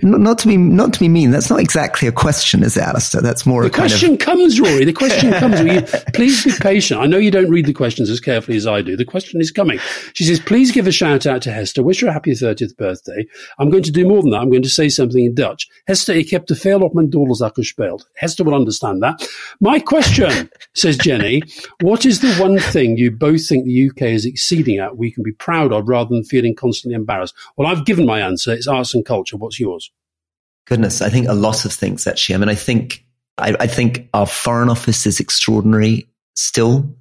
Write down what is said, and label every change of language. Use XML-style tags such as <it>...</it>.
<en>Not to be mean. That's not exactly a question, is it, Alistair? That's more the a kind of... The question comes, Rory. The question comes. Will you please be patient? I know you don't read the questions as carefully as I do. The question is coming. She says, please give a shout out to Hester. Wish her a happy 30th birthday. I'm going to do more than that. I'm going to say something in Dutch.</en> <nl>Hester, ik heb de veel op mijn doelzak gespeeld.</nl> <en>Hester will understand that. My question, says Jenny, what is the one thing you both think the UK is exceeding at, we can be proud of rather than feeling constantly embarrassed? Well, I've given my answer. It's arts and culture. What's yours? Goodness, I think a lot of things, actually. I mean, I think our Foreign Office is extraordinary still.</en>